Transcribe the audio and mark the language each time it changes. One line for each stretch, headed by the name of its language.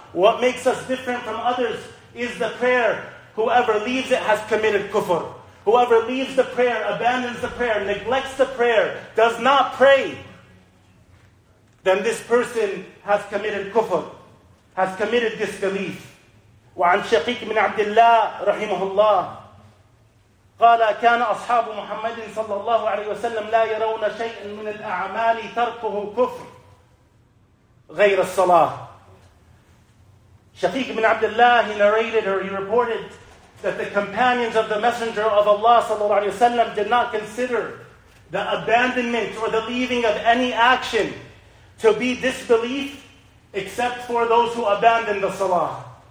English: What makes us different from others is the prayer. Whoever leaves it has committed kufr. Whoever leaves the prayer, abandons the prayer, neglects the prayer, does not pray, then this person has committed kufr, has committed disbelief.
Arabic: وعن شقيق بن عبد الله رحمه الله قال كان أصحاب محمد صلى الله عليه وسلم لا يرون شيئا من الأعمال تركه كفر غير الصلاة.
English: شقيق بن عبد الله, he narrated or he reported that the companions of the Messenger of Allah sallallahu alayhi wa sallam did not consider the abandonment or the leaving of any action to be disbelief except for those who abandoned the salah.